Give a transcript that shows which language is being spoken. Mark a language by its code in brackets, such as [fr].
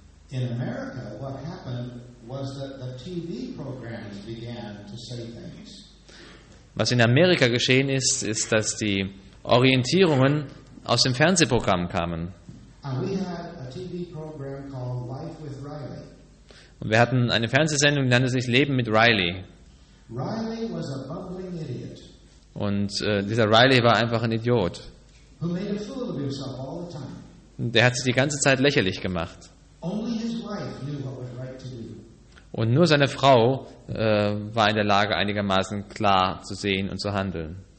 [en] In Amerika, what happened was that the TV programs began to say things. [de] Was in Amerika geschehen ist, ist, dass die Orientierungen aus dem Fernsehprogramm kamen. [en] And we had a TV program called Life with Riley. [de] Und wir hatten eine Fernsehsendung, die nannte sich Leben mit Riley. [en] Riley was a bumbling idiot. [de] Und dieser Riley war einfach ein Idiot. [en] Who made a fool of himself all the time. [de] Der hat sich die ganze Zeit lächerlich gemacht. Und nur seine Frau war in der Lage, einigermaßen klar zu sehen und zu handeln.